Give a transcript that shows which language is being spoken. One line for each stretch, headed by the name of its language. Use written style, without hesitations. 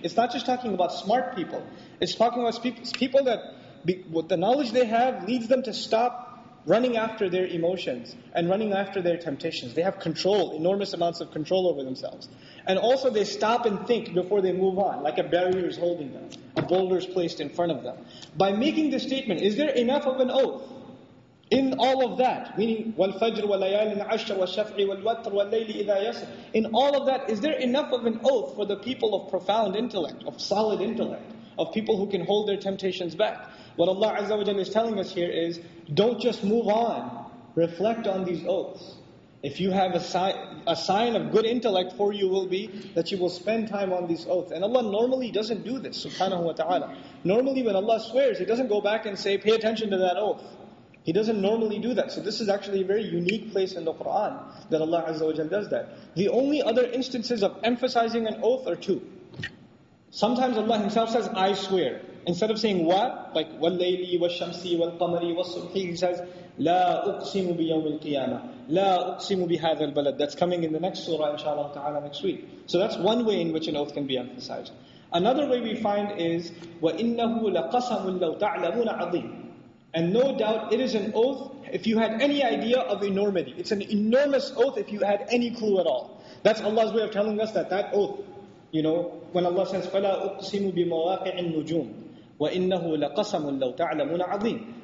English: It's not just talking about smart people. It's talking about people that, with the knowledge they have, leads them to stop running after their emotions and running after their temptations. They have control, enormous amounts of control over themselves. And also they stop and think before they move on, like a barrier is holding them, a boulder is placed in front of them. By making this statement, is there enough of an oath? In all of that, meaning
Arabic: وَالْفَجْرِ وَالْلَيَالٍ عَشْرٍ وَالشَّفْعِ وَالْوَتْرِ وَاللَّيْلِ إِذَا يَسْرِ.
English: In all of that, is there enough of an oath for the people of profound intellect, of solid intellect, of people who can hold their temptations back? What Allah Azza wa Jalla is telling us here is, don't just move on, reflect on these oaths. If you have a sign of good intellect for you will be that you will spend time on these oaths. And Allah normally doesn't do this, subhanahu wa ta'ala. Normally when Allah swears, He doesn't go back and say, pay attention to that oath. He doesn't normally do that. So this is actually a very unique place in the Qur'an that Allah Azza wa Jal does that. The only other instances of emphasizing an oath are two. Sometimes Allah Himself says, I swear. Instead of saying what, like
Arabic: وَاللَّيْلِ وَالشَّمْسِ وَالْقَمَرِ وَالصُّبْحِ,
English: He says,
Arabic: لَا أُقْسِمُ بِيَوْمِ الْقِيَامَةِ لَا أُقْسِمُ بِهَذَا الْبَلَدِ.
English: That's coming in the next surah, inshallah ta'ala, next week. So that's one way in which an oath can be emphasized. Another way we find is,
Arabic: وَإِنَّهُ لَقَسَمٌ لَوْ تَعْلَمُونَ عَظِيمٌ.
English: And no doubt it is an oath if you had any idea of enormity. It's an enormous oath if you had any clue at all. That's Allah's way of telling us that that oath, you know, when Allah says,
Arabic: فَلَا أُقْسِمُ بِمَوَاقِعِ النُّجُومِ وَإِنَّهُ لَقَسَمٌ لَوْ تَعْلَمُونَ عَظِيمٌ.